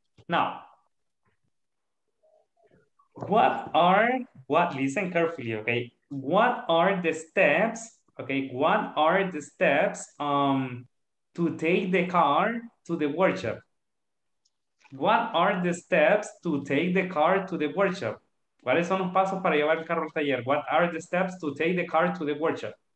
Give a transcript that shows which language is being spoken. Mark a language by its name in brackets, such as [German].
[English] Now, listen carefully, okay? What are the steps, okay? What are the steps to take the car to the workshop? What are the steps to take the car to the workshop? [Spanish] ¿Cuáles son los pasos para llevar el carro al taller? [English] What are the steps to take the car to the workshop?